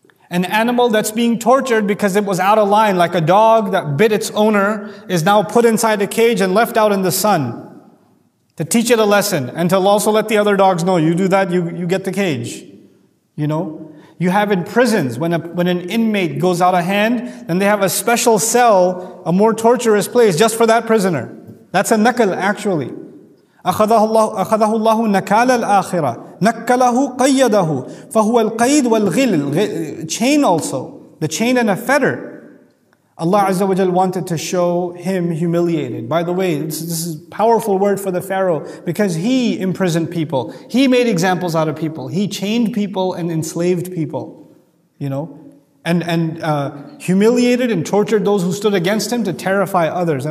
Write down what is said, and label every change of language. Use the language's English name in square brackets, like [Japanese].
[English] An animal that's being tortured because it was out of line, like a dog that bit its owner, is now put inside a cage and left out in the sun. To teach it a lesson, and to also let the other dogs know, you do that, you get the cage. You know, you have in prisons, when an inmate goes out of hand, then they have a special cell, a more torturous place, just for that prisoner. That's a nakal, actually. [Arabic] أَخَذَهُ اللَّهُ نَكَالَ الْآخِرَةِ نَكَّلَهُ قَيَّدَهُ فَهُوَ الْقَيْدُ وَالْغِلِ [English] Chain also, the chain and a fetter. Allah Azza wa Jal wanted to show him humiliated. By the way, this is a powerful word for the Pharaoh because he imprisoned people. He made examples out of people. He chained people and enslaved people, you know, and humiliated and tortured those who stood against him to terrify others.